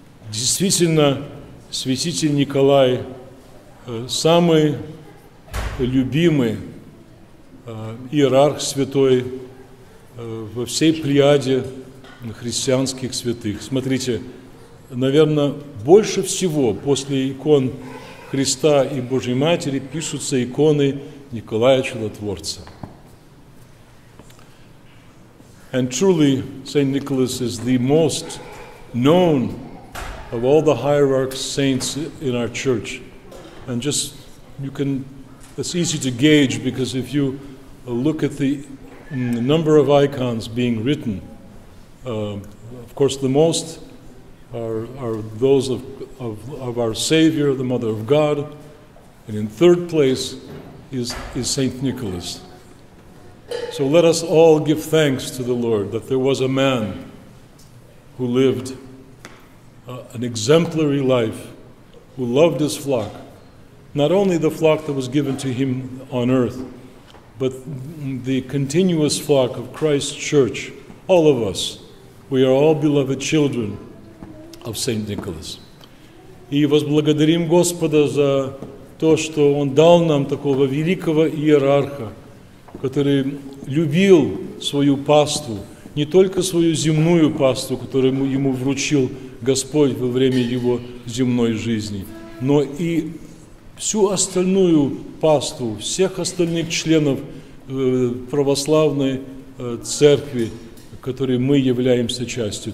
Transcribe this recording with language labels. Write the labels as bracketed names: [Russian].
[Russian] Действительно, святитель Николай самый любимый иерарх святой во всей плеяде христианских святых. Смотрите, наверное, больше всего после икон Христа и Божьей Матери пишутся иконы Николая Чудотворца. [English] And truly, Saint Nicholas is the most known of all the hierarch saints in our church. And just, you can, it's easy to gauge, because if you look at the number of icons being written, of course, the most are those of our Savior, the Mother of God, and in third place is Saint Nicholas. So let us all give thanks to the Lord that there was a man who lived an exemplary life, who loved his flock, not only the flock that was given to him on earth, but the continuous flock of Christ's church, all of us. We are all beloved children of Saint Nicholas. [Russian] И возблагодарим Господа за то, что Он дал нам такого великого иерарха, который любил свою паству, не только свою земную паству, которую ему вручил Господь во время его земной жизни, но и всю остальную паству, всех остальных членов православной церкви, которой мы являемся частью.